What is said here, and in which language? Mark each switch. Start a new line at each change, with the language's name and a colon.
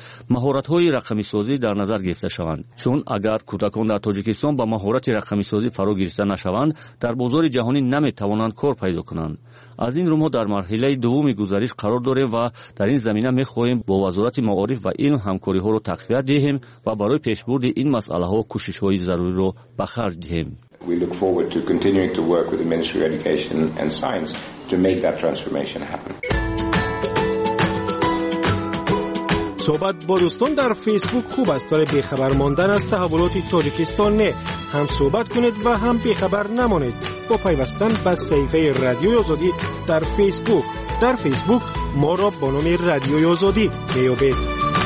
Persian: مهارت‌های رقمی سازی در نظر گرفته شوند، چون اگر کودکان در تاجیکستان با مهارت رقمی سازی فرا گرفته نشوند در بازار جهانی نمی‌توانند کار پیدا کنند. از این رو ما در مرحله دوم گزارش قرار داریم و در این زمینه می‌خواهیم با وزارت معارف و این همکاری‌ها را تقویت دهیم و برای پیشبرد این مسئله‌ها کوشش‌های ضروری را به خرج دهیم.
English: We look forward to continuing to work with the Ministry of Education and Science to make that transformation happen.
Persian: صحبت با دوستان در فیسبوک خوب است، ولی بی‌خبر ماندن از تحولات تاجیکستان نه. هم صحبت کنید و هم بی‌خبر نمانید با پیوستن به صفحه رادیو آزادی در فیسبوک. در فیسبوک ما را با نام رادیو آزادی می‌یابید.